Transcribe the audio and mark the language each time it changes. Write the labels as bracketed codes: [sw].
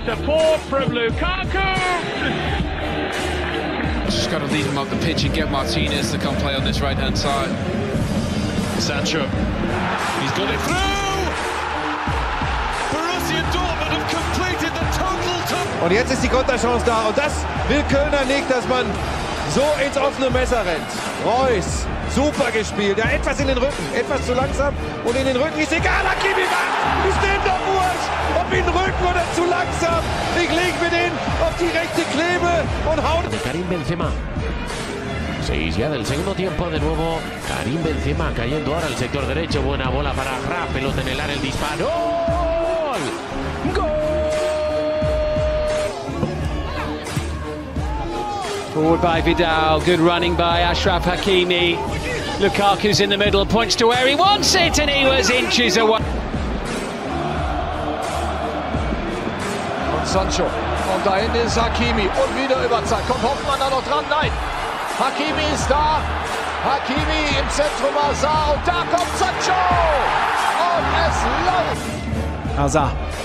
[en] Support from Lukaku! Just got to lead him up the pitch and get Martinez to come play on this right-hand side. Sancho, he's got it through! Borussia Dortmund have completed the total top. [de] Und jetzt ist die Konterchance da, und das will Kölner nicht, dass man so ins offene Messer rennt. Reus Super gespielt. Ja, etwas in den Rücken. Etwas zu langsam. Und in den Rücken ist egal. Hakimi macht. Ist dem doch wurscht. Ob in den Rücken oder zu langsam. Ich lege mir den auf die rechte Klebe und hau. [es] Karim Benzema. Seis ya del segundo tiempo de nuevo. Karim Benzema cayendo ahora al sector derecho. Buena bola para Raf. Pelota en el área. El disparo. Gol. [en] Forward by Vidal, good running by Ashraf Hakimi. Lukaku's in the middle, points to where he wants it, and he was inches away. [de] Und Sancho, und da hinten ist Hakimi, und wieder Überzahl. Kommt Hoffmann da noch dran? Nein, Hakimi ist da. Hakimi im Zentrum, Hazard, und da kommt Sancho! Und es läuft! Hazard.